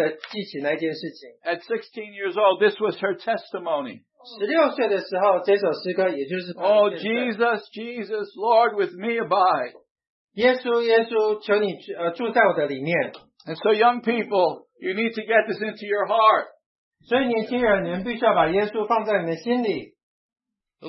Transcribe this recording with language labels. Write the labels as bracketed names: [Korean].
[Chinese] 所以每次当我唱到这首诗歌的时候，我就会记得记起那件事情。 [English] At 16 years old, this was her testimony. [Chinese] 16岁的时候，这首诗歌也就是。 [English] Oh, Jesus, Jesus, Lord, with me abide. [Chinese] 耶稣，耶稣，求你住在我的里面。 [English] And so young people, you need to get this into your heart. [Chinese] 所以年轻人，你们必须要把耶稣放在你们心里。 [English] The